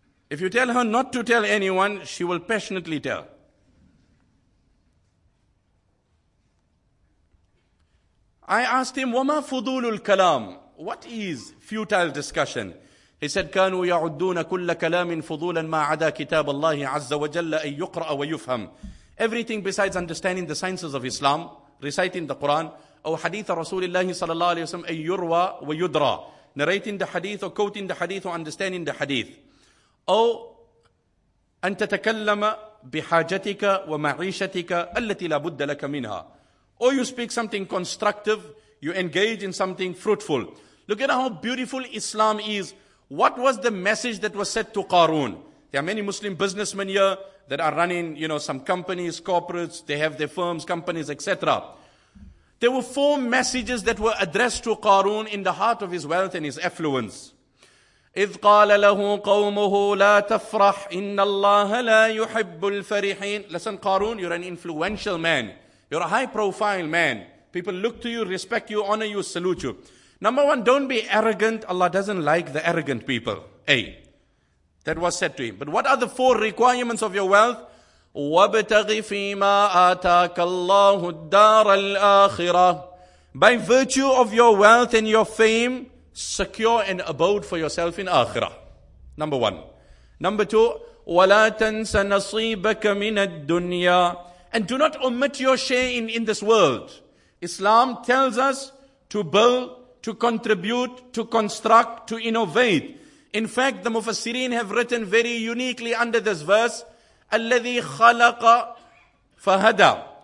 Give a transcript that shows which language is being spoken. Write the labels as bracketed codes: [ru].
[en] If you tell her not to tell anyone, she will passionately tell. I asked him, [ar] وَمَا فُضُولُ الْكَلَامِ? [en] What is futile discussion? He said, [ar] كَانُوا يَعُدُّونَ كُلَّ كَلَامٍ فُضُولًا مَا عَدَى كِتَابَ اللَّهِ عَزَّ وَجَلَّ أَن يُقْرَأَ وَيُفْهَمْ. [en] Everything besides understanding the sciences of Islam, reciting the Quran, [ar] أو حديث رسول الله صلى الله عليه وسلم أن يروى ويدرى. [en] Narrating the hadith or quoting the hadith or understanding the hadith. [ar] أو أن تتكلم بحاجتك ومعيشتك التي لا بد لك منها. [en] Or you speak something constructive, you engage in something fruitful. Look at how beautiful Islam is. What was the message that was said to Qarun? There are many Muslim businessmen here that are running, you know, some companies, corporates, they have their firms, companies, etc. There were 4 messages that were addressed to Qarun in the heart of his wealth and his affluence. [ar] إِذْ قَالَ لَهُ قَوْمُهُ لَا تَفْرَحْ إِنَّ اللَّهَ لَا يُحِبُّ الْفَرِحِينَ. [en] Listen, Qarun, you're an influential man. You're a high-profile man. People look to you, respect you, honor you, salute you. Number one, don't be arrogant. Allah doesn't like the arrogant people. A. That was said to him. But what are the 4 requirements of your wealth? [ar] وَابْتَغِ فِيمَا آتَاكَ اللَّهُ الدَّارَ الْآخِرَةِ. [en] By virtue of your wealth and your fame, secure an abode for yourself in Akhirah. Number one. Number two, [ar] وَلَا تَنْسَ نَصِيبَكَ مِنَ الدُّنْيَا. [en] And do not omit your share in this world. Islam tells us to build, to contribute, to construct, to innovate. In fact, the Mufassirin have written very uniquely under this verse, [ar] الَّذِي خَلَقَ فَهَدَى.